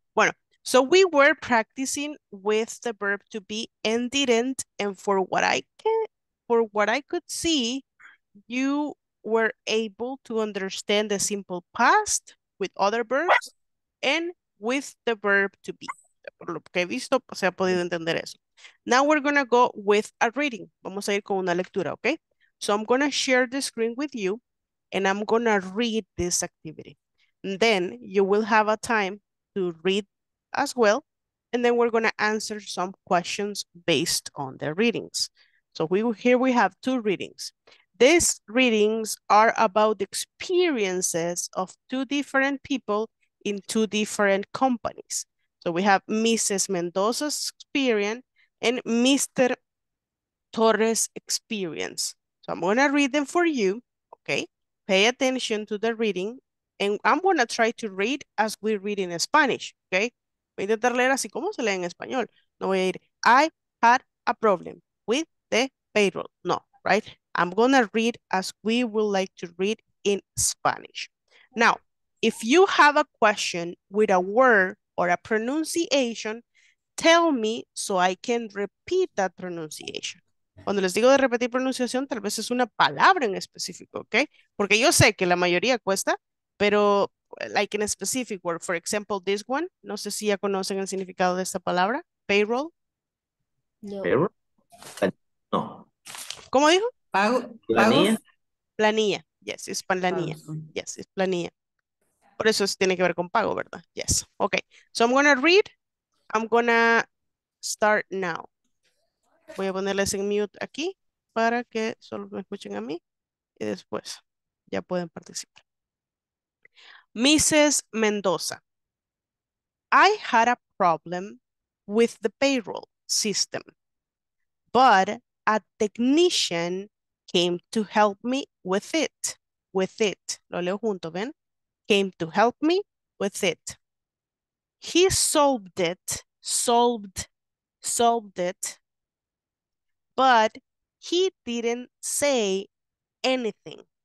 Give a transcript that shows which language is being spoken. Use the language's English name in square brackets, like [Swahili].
[English] Bueno, so we were practicing with the verb to be and didn't. And for what I could see, you were able to understand the simple past with other verbs and with the verb to be. [Spanish] Por lo que he visto, se ha podido entender eso. [English] Now we're going to go with a reading. [Spanish] Vamos a ir con una lectura, [English] okay? So I'm going to share the screen with you and I'm going to read this activity. And then you will have a time to read as well. And then we're going to answer some questions based on the readings. So here we have two readings. These readings are about the experiences of two different people in two different companies. So we have Mrs. Mendoza's experience and Mr. Torres' experience. So I'm going to read them for you, okay? Pay attention to the reading, and I'm going to try to read as we read in Spanish, okay? [Spanish] Voy a intentar leer así como se lee en español. No voy a ir, [English] I had a problem with the payroll. No, right? I'm going to read as we would like to read in Spanish. Now, if you have a question with a word or a pronunciation, tell me so I can repeat that pronunciation. [Spanish] Cuando les digo de repetir pronunciación, tal vez es una palabra en específico, ¿ok? Porque yo sé que la mayoría cuesta, pero [English] like in a specific word. For example, this one, [Spanish] no sé si ya conocen el significado de esta palabra, payroll. No. ¿Payroll? No. ¿Cómo dijo? Pago. Planilla. Planilla, yes, es planilla. Yes, es planilla. Por eso tiene que ver con pago, ¿verdad? [English] Yes. Okay. So I'm going to read. I'm going to start now. [Spanish] Voy a ponerles en mute aquí para que solo me escuchen a mí y después ya pueden participar. [English] Mrs. Mendoza. I had a problem with the payroll system, but a technician came to help me with it. With it. [Spanish] Lo leo junto, ¿ven? [English] Came to help me with it. He solved it, but he didn't say anything.